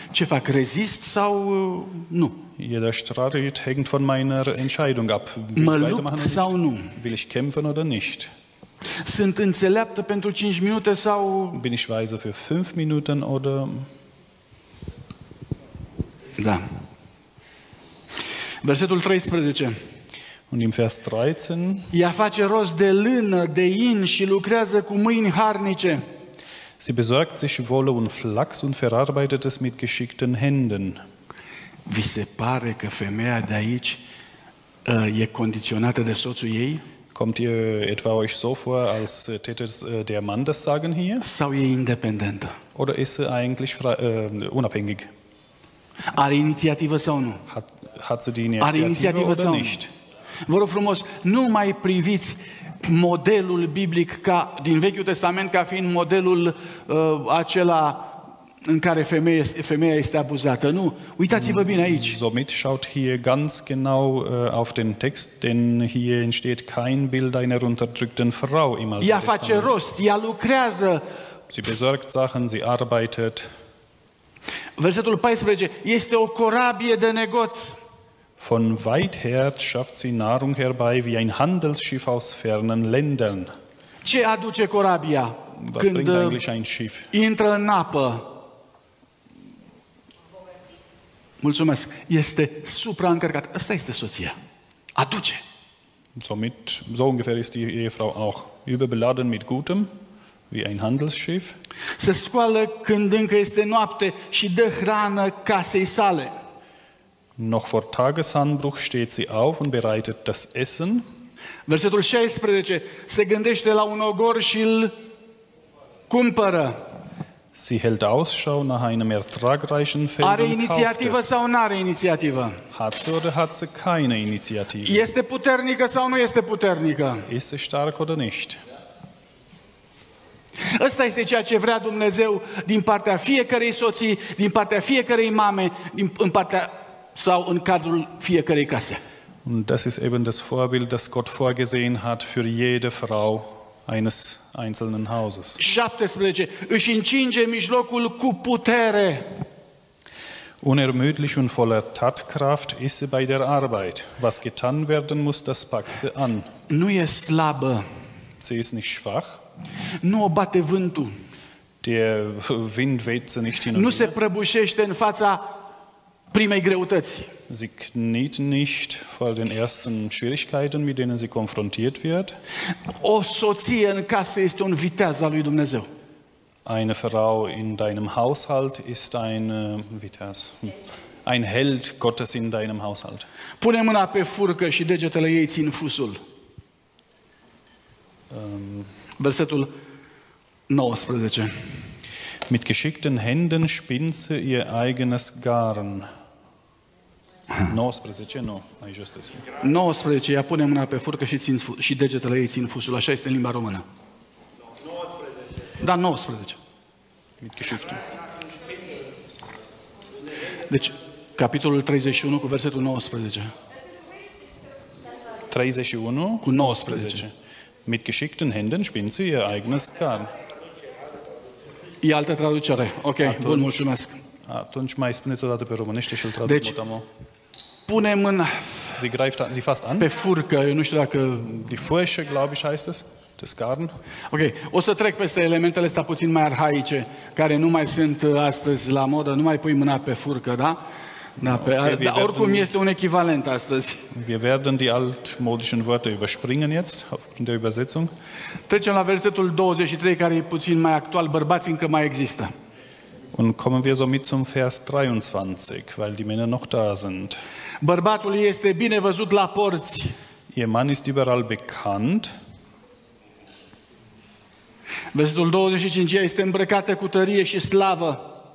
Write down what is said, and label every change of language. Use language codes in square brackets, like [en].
[ro] Ce fac, rezist sau nu? [de] Jeder Streit hängt von meiner Entscheidung ab. [ro] Mă lupt sau nu? [de] Will ich kämpfen oder nicht? [ro] Sunt înțeleaptă pentru 5 minute sau... [de] Bin ich weise für 5 Minuten oder... [ro] Da. Versetul 13. [de] Und im Vers 13. [ro] Ea face rost de lână, de in și lucrează cu mâini harnice. [de] Sie besorgt sich Wolle und Flachs und verarbeitet es mit geschickten Händen. [ro] Vi se pare că femeia de aici e condiționată de soțul ei? [de] Kommt ihr etwa euch so vor, als täte der Mann das sagen hier? [ro] Sau e independentă? [de] Oder ist sie eigentlich unabhängig? [ro] Are inițiativă sau nu? [de] Hat sie die Initiative oder nicht? [ro] Vă rog frumos, nu mai priviți modelul biblic ca din Vechiul Testament ca fiind modelul acela în care femeia este abuzată. Nu, uitați-vă bine aici. [de] Somit schaut hier ganz genau auf den Text, denn hier entsteht kein Bild einer unterdrückten Frau im Alten [ro] Testament. Ea face rost, ea lucrează. [de] Sie besorgt Sachen, sie arbeitet. [ro] Versetul 14 este o corabie de negoț. [de] Von weit her schafft sie Nahrung herbei wie ein Handelsschiff aus fernen Ländern. [ro] Ce aduce corabia? [de] Was bringt eigentlich ein Schiff? [ro] Intră în apă. Mulțumesc. Este supraîncărcat. Asta este soția. Aduce. [de] Somit, so ungefähr ist die Ehefrau auch überbeladen mit Gutem, wie ein Handelsschiff. [ro] Se scoală când încă este noapte și dă hrană casei sale. [de] Noch vor Tagesanbruch steht sie auf und bereitet das Essen. [ro] Versetul 16 se gândește la un ogor și îl cumpără. [de] Sie hält Ausschau nach einem ertragreichen Feld und kauft es. [ro] Are inițiativă sau nu are inițiativă? [de] Hat sie oder hat sie keine Initiative? [ro] Este puternică sau nu este puternică? [de] Ist sie stark oder nicht? [ro] Asta este ceea ce vrea Dumnezeu din partea fiecărei soții, din partea fiecărei mame, în partea sau în cadrul fiecărei case. [de] Und das ist eben das Vorbild, das Gott vorgesehen hat für jede Frau eines einzelnen Hauses. [ro] 17. Își încinge mijlocul cu putere. [de] Unermüdlich und voller Tatkraft ist sie bei der Arbeit. Was getan werden muss, das packt sie an. [ro] Nu e slabă. [de] Sie ist nicht schwach. [ro] Nu o bate vântul. [de] Der Wind weht sie nicht hin. [ro] Nu se prăbușește în fața primei greutăți. [de] Sie kniet nicht vor den ersten Schwierigkeiten, mit denen sie konfrontiert wird. [ro] O soție în casă este un viteaz al lui Dumnezeu. [de] Eine Frau in deinem Haushalt ist ein viteaz. Ein Held Gottes in deinem Haushalt. [ro] Pune mâna pe furcă și degetele ei țin fusul. Versetul 19. [de] Mit geschickten Händen spinnt sie ihr eigenes Garn. [ro] 19, nu, aici este. 19, ea pune mâna pe furcă și, țin, și degetele ei țin fusul, așa este în limba română. 19. Da, 19. [de] Mit geschickten. [ro] Deci, capitolul 31 cu versetul 19. 31 cu 19. [de] Mit geschickten Händen spinnt sie ihr eigenes Garn. [ro] E altă traducere. Ok, atunci, bun, mulțumesc. Atunci mai spuneți o dată pe românește și îl traduc. Deci, motamo. Pune mâna. [de] Sie greift an, sie fasst an. [ro] Pe furcă, eu nu știu dacă... [de] Die Furche, glaube ich, heißt es. Das Garn. [ro] Ok, o să trec peste elementele astea puțin mai arhaice, care nu mai sunt astăzi la modă. Nu mai pui mâna pe furcă, da? Da, pe, okay, dar oricum werden, este un echivalent astăzi. [de] Wir werden die altmodischen Wörter überspringen jetzt, aufgrund der Übersetzung. [ro] Trecem la versetul 23, care e puțin mai actual, bărbați încă mai există. [de] Und kommen wir somit zum Vers 23, weil die Männer noch da sind. [ro] Bărbatul este bine văzut la porți. [de] Ihr Mann ist überall bekannt. [ro] Versetul 25, este îmbrăcată cu tărie și slavă.